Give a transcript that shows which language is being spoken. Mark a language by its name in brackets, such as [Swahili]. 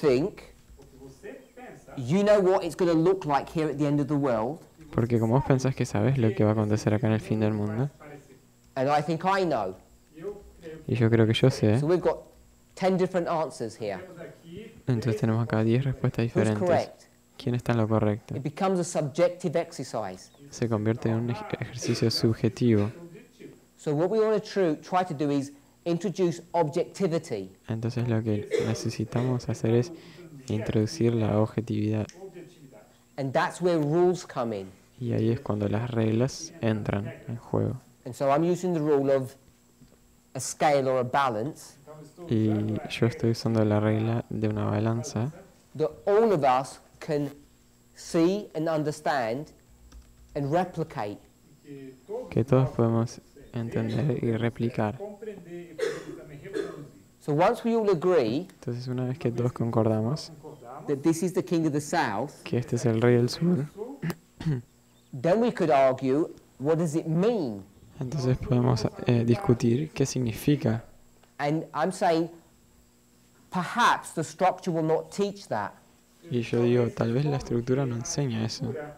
[English] Because you think you know what it's going to look like here at the end of the world. [Spanish] Porque como vos pensás que sabes lo que va a acontecer acá en el fin del mundo. [English] And I think I know. [Spanish] Y yo creo que yo sé. [English] So we've got 10 different answers here. [Spanish] Entonces tenemos acá 10 respuestas diferentes. [English] Who's correct? [Spanish] ¿Quién está en lo correcto? [English] It becomes a subjective exercise. [Spanish] Se convierte en un ejercicio subjetivo. [English] So what we want to try to do is introduce objectivity. [Spanish] Entonces lo que necesitamos hacer es introducir la objetividad. [English] And that's where rules come in. [Spanish] Y ahí es cuando las reglas entran en juego. [English] And so I'm using the rule of a scale or a balance. [Spanish] Y yo estoy usando la regla de una balanza. [English] That all of us can see and understand and replicate. [Spanish] Que todos podemos entender y replicar. [English] So once we all agree. [Spanish] Entonces una vez que todos concordamos. [English] That this is the king of the south. [Spanish] Que este es el rey del sur. [English] Then we could argue, what does it mean? [Spanish] Entonces podemos discutir qué significa. [English] And I'm saying, perhaps the structure will not teach that. [Spanish] Y yo digo, tal vez la estructura no enseña eso.